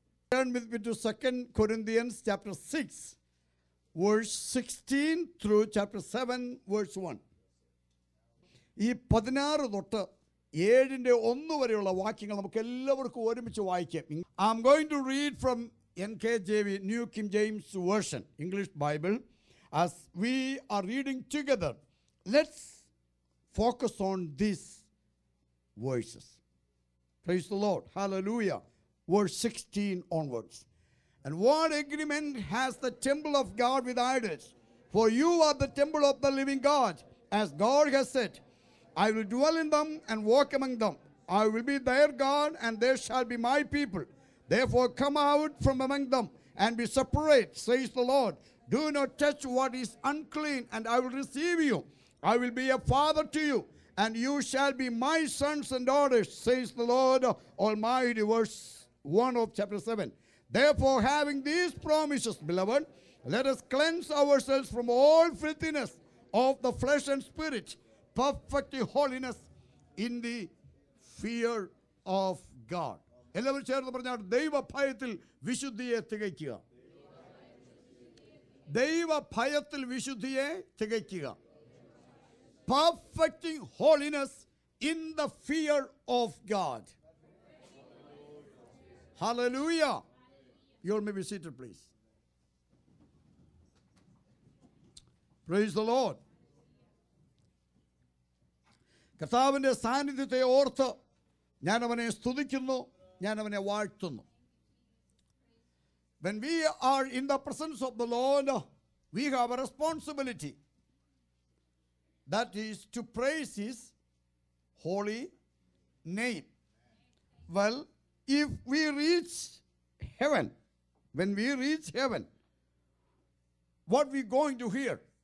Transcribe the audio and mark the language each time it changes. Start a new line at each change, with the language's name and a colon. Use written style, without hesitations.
English: turn with me to 2 Corinthians chapter 6, verse 16 through chapter 7, verse 1.
Malayalam: ഈ 16 തൊട്ട് 7-ന്റെ 1 വരെയുള്ള വാക്യങ്ങൾ നമുക്ക് എല്ലാവർക്കും ഒരുമിച്ച് വായിക്കാം.
English: I'm going to read from NKJV, New King James Version, English Bible. As we are reading together, let's focus on these verses. Praise the Lord. Hallelujah. Verse 16 onwards. And what agreement has the temple of God with idols? For you are the temple of the living God. As God has said, I will dwell in them and walk among them. I will be their God and they shall be my people. Therefore come out from among them and be separate, says the Lord. Do not touch what is unclean and I will receive you. I will be a father to you. And you shall be my sons and daughters, says the Lord Almighty. Verse 1 of chapter 7. Therefore, having these promises, beloved, let us cleanse ourselves from all filthiness of the flesh and spirit, perfect holiness in the fear of God.
Malayalam: എല്ലാവരും ചേർന്ന് പറഞ്ഞാൽ ദൈവഭയത്തിൽ വിശുദ്ധിയെ തികയ്ക്കുക. ദൈവഭയത്തിൽ വിശുദ്ധിയെ തികയ്ക്കുക.
English: Perfecting holiness in the fear of God. Hallelujah. You all may be seated, please. Praise the Lord.
Malayalam: കർത്താവിന്റെ സാന്നിധ്യത്തെ ഓർത്ത് ഞാൻ അവനെ സ്തുതിക്കുന്നു, ഞാൻ അവനെ വാഴ്ത്തുന്നു.
English: When we are in the presence of the Lord, we have a responsibility. That is to praise His holy name. Well, if we reach heaven, when we reach heaven, what we going to hear?